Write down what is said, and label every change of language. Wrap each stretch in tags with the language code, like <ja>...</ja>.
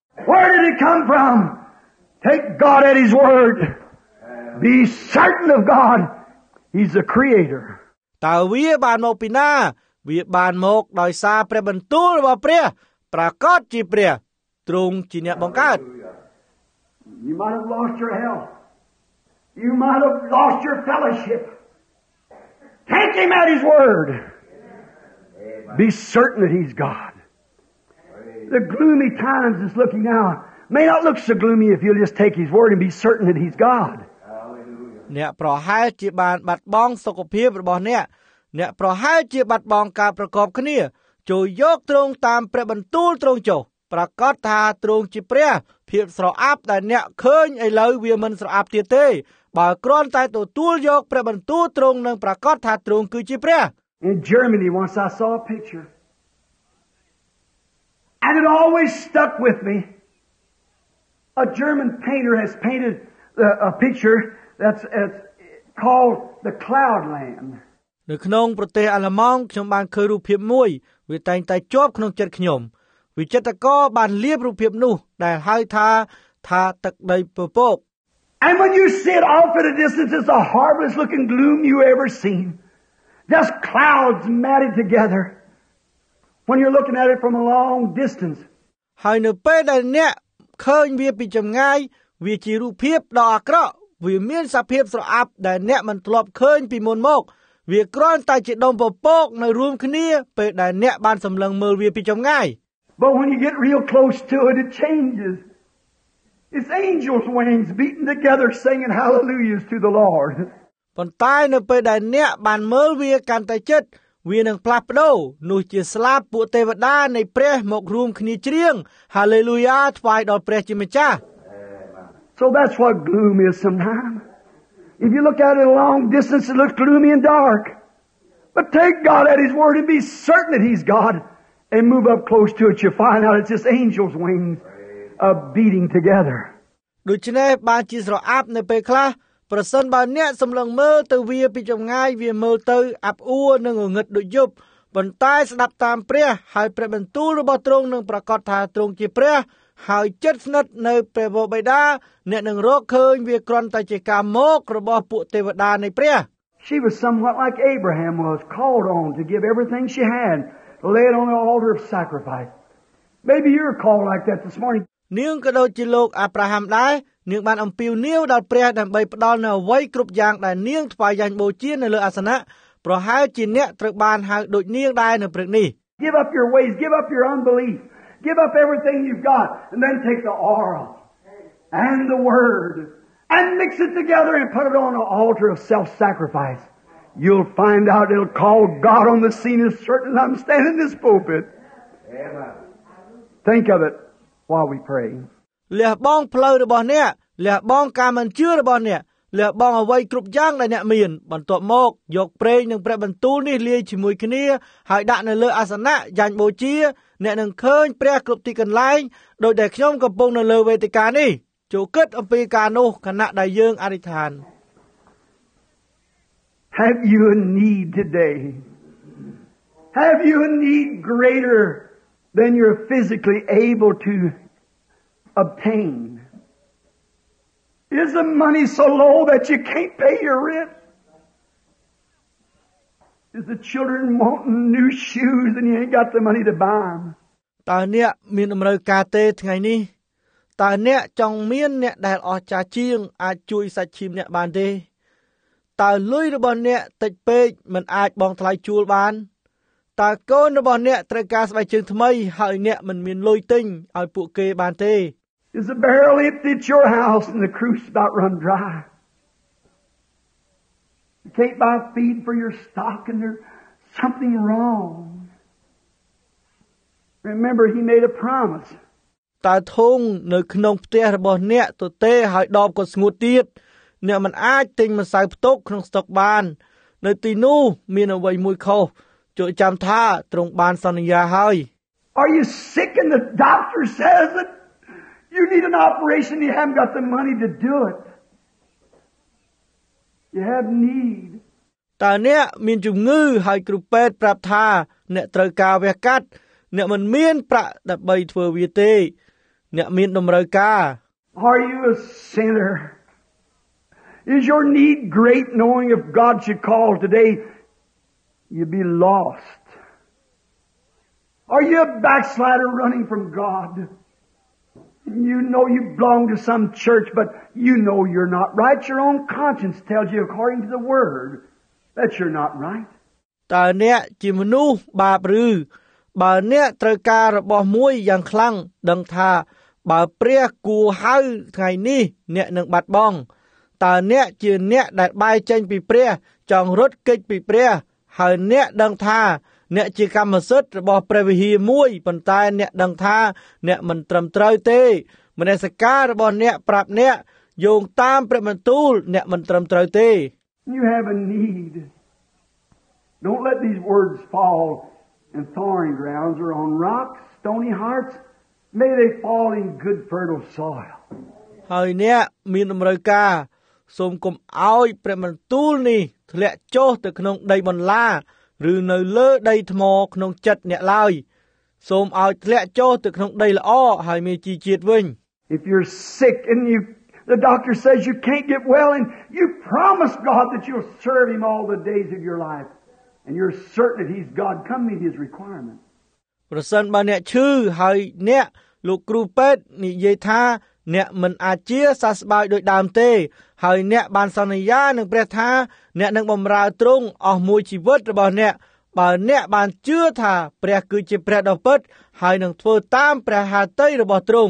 <en>Where did it come from? Take God at his word. Be certain of God. He's the creator.</en> <km>តើវាបានមកពីណាវាបានមកដោយសារព្រះបន្ទូលរបស់ព្រះប្រកាសជាព្រះទ្រង់ជាអ្នកបង្កើត</km> <en>You might have lost your health. You might have lost your fellowship. Take him at his word. Amen. Be certain that he's God. Amen. The gloomy times is looking now. May not look so gloomy if you'll just take his word and be certain that he's God. Hallelujah.</en> <km>អ្នកប្រហែលជាបានបាត់បង់សុខភាពរបស់អ្នកអ្នកប្រហែលជាបាត់បង់ការប្រកបគ្នាចូលយកទ្រង់តាមព្រះបន្ទូលទ្រង់ចុះប្រកាសថាទ្រង់ជាព្រះភាពស្រអាប់ដែលអ្នកឃើញឥឡូវវាមិនស្រអាប់ទៀតទេបើគ្រាន់តែទទួលយកព្រះបន្ទូលទ្រង់នឹងប្រកាសថាទ្រង់គឺជាព្រះ</km> <en>In Germany once I saw a picture and it always stuck with me A German painter has painted a picture that's called the Cloudland</en> <km>នៅក្នុងប្រទេសអាល្លឺម៉ង់ខ្ញុំបានឃើញរូបភាពមួយវាតែងតែជាប់ក្នុងចិត្តខ្ញុំវិចិត្រករបានលៀបរូបភាពនោះដែលហៅថា ថាទឹកដីពពក</km> <en>And when you see it off at a distance it's the harmless looking gloom you ever seen just clouds matted together when you're looking at it from a long distance</en> <km>ហើយនៅពេលដែលអ្នកឃើញវាពីចម្ងាយវាជារូបភាពដ៏អាក្រក់វាមានសភាពស្រអាប់ដែលអ្នកមិនធ្លាប់ឃើញពីមុនមកវាគ្រាន់តែជាដុំពពកនៅរួមគ្នាពេលដែលអ្នកបានសម្លឹងមើលវាពីចម្ងាយ</km> <en>But when you get real close to it, it changes. It's angels' wings beating together singing hallelujahs to the Lord.</en> <km>ប៉ុន្តែនៅពេលដែលអ្នកបានមើលវាកាន់តែជិតវានឹងផ្លាស់ប្ដូរនោះជាស្លាប់ពួកទេវតានៃព្រះមករួមគ្នាច្រៀង hallelujah ថ្វាយដល់ព្រះជាម្ចាស់</km> <en>So that's what gloom is sometimes. If you look at it a long distance, it looks gloomy and dark. But take God at his word and be certain that he's God. And move up close to it, you find out it's just angels' wings beating together.</en> <km>ដូច្នេះបានជាស្រអាប់នៅពេលខ្លះប្រសិនបើអ្នកសម្លឹងមើលទៅវាពីចម្ងាយវាមើលទៅអាប់អួរនិងងងឹតដូចយប់ប៉ុន្តែស្ដាប់តាមព្រះហើយព្រះបន្ទូលរបស់ទ្រង់នឹងប្រកាសថាទ្រង់ជាព្រះហើយជិតស្និទ្ធនៅព្រះវរបិតាអ្នកនឹងរកឃើញវាគ្រាន់តែជាការមករបស់ពួកទេវតានៃព្រះ</km> <en>She was somewhat like Abraham was called on to give everything she had. Lay it on the altar of sacrifice. Maybe you're called like that this morning.</en> <km>នាងក៏ដូចជាលោកអាប់រ៉ាហាំដែរនាងបានអំពាវនាវដល់ព្រះដើម្បីផ្ដល់នូវអ្វីគ្រប់យ៉ាងដែលនាងថ្វាយយ៉ាញ់បូជានៅលើអាសនៈប្រហែលជាអ្នកត្រូវបានហៅដូចនាងដែរនៅព្រឹកនេះ</km> <en>Give up your ways, give up your unbelief, give up everything you've got and then take the oil and the word and mix it together and put it on the altar of self-sacrifice. You'll find out it'll call God on the scene as certain as I'm standing in this pulpit. Think of it while we pray.</en> <km>លះបងផ្លូវរបស់អ្នកលះបងការមិនជឿរបស់អ្នកលះបងអ្វីគ្រប់យ៉ាងដែលអ្នកមានបន្ទាប់មកយកប្រេងនិងព្រះបន្ទូលនេះលាយជាមួយគ្នាហើយដាក់នៅលើអាសនៈយ៉ាញ់បូជាអ្នកនឹងឃើញព្រះគ្រប់ទីកន្លែងដោយដែលខ្ញុំកំពុងនៅលើវេទិកានេះចូលគិតអំពីការនោះគណៈដែលយើងអធិដ្ឋាន</km> <en>Have you a need today? Have you a need greater than you're physically able to obtain? Is the money so low that you can't pay your rent? Is the children wanting new shoes and you ain't got the money to buy them?</en> <km>តើអ្នកមានតម្រូវការទេថ្ងៃនេះ? តើអ្នកចង់មានអ្នកដែលអស់ចាស់ជាងអាចជួយសាច់ឈាមអ្នកបានទេ? តើលុយរបស់អ្នកតិចពេកមិនអាចបង់ថ្លៃជួលបានតើកូនរបស់អ្នកត្រូវការស្បែកជើងថ្មីហើយអ្នកមិនមានលុយទិញឲ្យពួកគេបានទេ</km> <en>Is the barrel at your house and the crew's about run dry? You can't buy feed for your stock and there's something wrong. Remember he made a promise.</en> <km>តើធុងនៅក្នុងផ្ទះរបស់អ្នកទទេហើយដបក៏ស្ងួតទៀតអ្នកមិនអាចទិញម្សៅផ្ទុកក្នុងស្តុកបាននៅទីនោះមានអ្វីមួយខុសចូរចាំថាទ្រង់បានសន្យាហើយ</km> <en>Are you sick and the doctor says that you need an operation you haven't got the money to do it You have need</en> <km>តើអ្នកមានជំងឺហើយគ្រូពេទ្យប្រាប់ថាអ្នកត្រូវការវះកាត់អ្នកមិនមានប្រាក់ដើម្បីធ្វើវាទេអ្នកមានតម្រូវការ</km> <en>Are you a sinnerIs your need great knowing if God should call today, you'd be lost? Are you a backslider running from God? You know you belong to some church, but you know you're not right. Your own conscience tells you according to the word that you're not right.</en> <km>តើអ្នកជាមនុស្សបាបឬបើអ្នកត្រូវការរបស់មួយយ៉ាងខ្លាំងដឹងថាបើព្រះគួរហៅថ្ងៃនេះអ្នកនឹងបាត់បង់តើអ្នកជាអ្នកដែលបាយចេញពីព្រះចង់រត់គេចពីព្រះហើយអ្នកដឹងថាអ្នកជាកម្មសិទ្ធិរបស់ព្រះវិហារមួយប៉ុន្តែអ្នកដឹងថាអ្នកមិនត្រឹមត្រូវទេមនសិការរបស់អ្នកប្រាប់អ្នកយោងតាមព្រះបន្ទូលអ្នកមិនត្រឹមត្រូវទេ</km> <en>You have a need Don't let these words fall in thorny grounds or on rocks stony hearts may they fall in good fertile soil</en> <km>ហើយអ្នកមានតម្រូវការសូមគុំឲ្យព្រះបន្ទូលនេះធ្លាក់ចុះទៅក្នុងដីបន្លាឬនៅលើដីថ្មក្នុងចិត្តអ្នកឡើយសូមឲ្យធ្លាក់ចុះទៅក្នុងដីល្អហើយមានជីជាតិវិញ</km> <en>If you're sick and you, the doctor says you can't get well, and you promise God that you'll serve Him all the days of your life, and you're certain that He's God, come meet His requirement.</en> <km>ប្រសិនបើអ្នកឈឺហើយអ្នកលោកគ្រូពេទ្យនិយាយថាអ្នកមិនអាចជាសះស្បើយដោយដើមទេហើយអ្នកបានសន្យានឹងព្រះថាអ្នកនឹងបម្រើទ្រង់អស់មួយជីវិតរបស់អ្នកបើអ្នកបានជឿថាព្រះគឺជាព្រះដ៏ពិតហើយនឹងធ្វើតាមព្រះហឫទ័យរបស់ទ្រង</km>